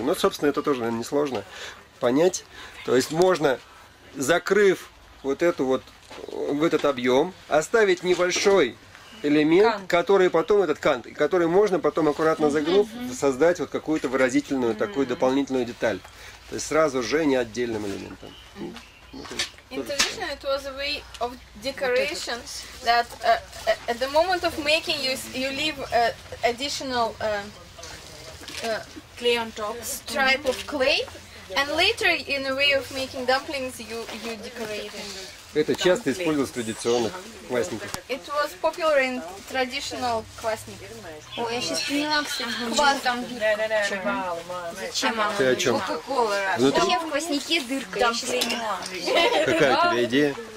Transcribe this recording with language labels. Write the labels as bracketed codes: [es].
[ru] Но, собственно, это тоже, наверное, несложно понять. То есть можно, закрыв вот эту вот в этот объем, оставить небольшой элемент, кант. Который потом этот кант, который можно потом аккуратно загнув, создать вот какую-то выразительную такую дополнительную деталь. То есть сразу же не отдельным элементом. [en] Intuition, it was a way of decoration that at the moment of making you leave additional clay on top, stripe of clay, and later in a way of making dumplings you decorate. [ru] Это часто использовалось в традиционных квасниках. [en] It was popular in traditional квасники. [ru] Ой, я сейчас поняла, кстати, квас там дырка. Зачем она? Ты о чем? Внутри? Я в кваснике дырка, я сейчас поняла. Какая у тебя идея?